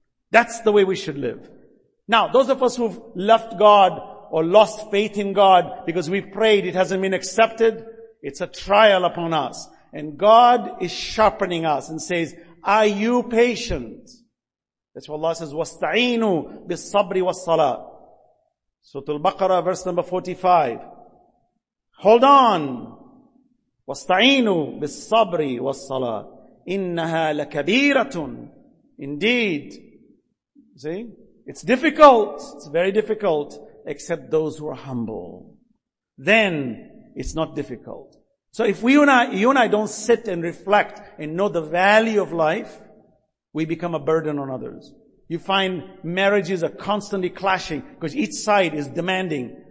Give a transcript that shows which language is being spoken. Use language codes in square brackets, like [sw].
[en] That's the way we should live. Now, those of us who've left God or lost faith in God because we prayed, it hasn't been accepted, it's a trial upon us. And God is sharpening us and says, are you patient? That's why Allah says, وَاسْتَعِينُوا بِالصَّبْرِ وَالصَّلَاةِ Surah Al-Baqarah, verse number 45. Hold on. [ar] وَاسْتَعِينُوا بِالصَّبْرِ وَالصَّلَاةِ إِنَّهَا لَكَبِيرَةٌ Indeed. [en] See? It's difficult. It's very difficult. Except those who are humble. Then, it's not difficult. So if we and I, you and I don't sit and reflect and know the value of life, we become a burden on others. You find marriages are constantly clashing because each side is demanding.